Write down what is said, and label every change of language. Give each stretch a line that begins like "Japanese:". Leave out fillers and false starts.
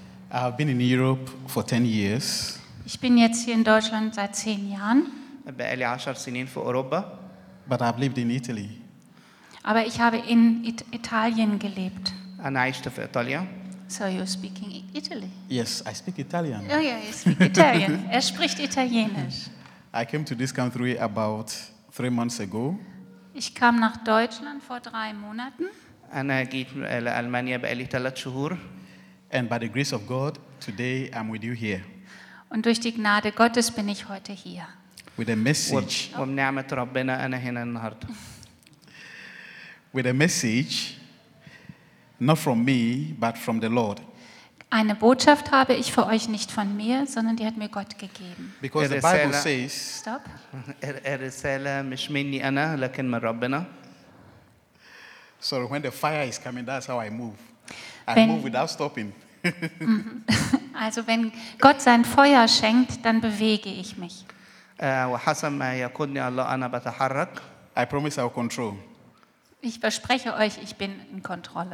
English: I've been in Europe for 10 years.
German: Ich bin jetzt hier in Deutschland seit 10 Jahren.
Arabic: بقالي 10 سنين في اوروبا.
English: But I've lived in Italy.
German: Aber ich habe in Italien gelebt.
Arabic: انا عشت في ايطاليا.
English: So you're speaking Italy. Yes, I speak Italian. Oh yeah, you speak Italian.
German: Er spricht Italienisch.
English: I came to this country about 3 months ago.
German: Ich kam nach Deutschland vor 3 Monaten.
Arabic: انا جيت لألمانيا بقالي 3 شهور.
English: And by the grace of God, today I'm with you here.
German: Und durch die Gnade Gottes bin ich heute hier.
English: With a message.
Arabic: ومنعمه ربنا انا هنا النهارده.
English: With a message not from me but from the Lord.
German: Eine Botschaft habe ich für euch nicht von mir, sondern die hat mir Gott gegeben.
English: Because the Bible says. Stop.
Arabic: الرساله مش مني انا لكن من ربنا.
English: So when the fire is coming, that's how I move. I move without stopping.
German: Also wenn Gott sein Feuer schenkt, dann bewege ich mich.
English: I promise I'll control.
German: Ich verspreche euch, ich bin in Kontrolle.